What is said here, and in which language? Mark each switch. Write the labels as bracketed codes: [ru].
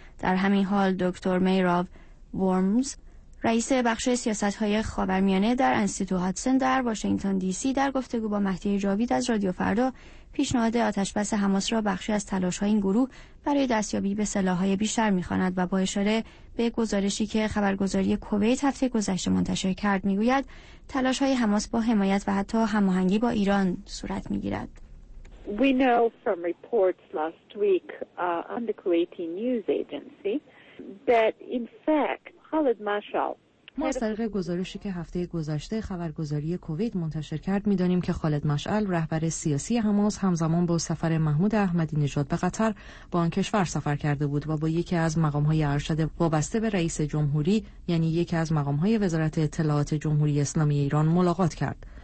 [fa] در همین حال دکتر میراو ورمز، رئیس بخش سیاست‌های خاورمیانه در انستیتو هاتسن در واشنگتن دی سی، در گفتگو با مهدی جاوید از رادیو فردا، پیشنهاد آتش‌بس حماس را بخشی از تلاش‌های این گروه برای دستیابی به سلاح‌های بیشتر می‌خواند و با اشاره به گزارشی که خبرگزاری کویت هفته گذشته منتشر کرد می‌گوید تلاش‌های حماس با حمایت و حتی هماهنگی با ایران صورت می‌گیرد. [en] We know from reports last week on the Kuwaiti news agency that in fact Khalid Mashal. [fa] ما از طریق گزارشی که هفته گذشته خبرگزاری کووید منتشر کرد می‌دانیم که خالد مشعل رهبر سیاسی حماس همزمان با سفر محمود احمدی نژاد به قطر با آن کشور سفر کرده بود و با یکی از مقام‌های ارشد وابسته به رئیس جمهوری یعنی یکی از مقام‌های وزارت اطلاعات جمهوری اسلامی ایران ملاقات کرد.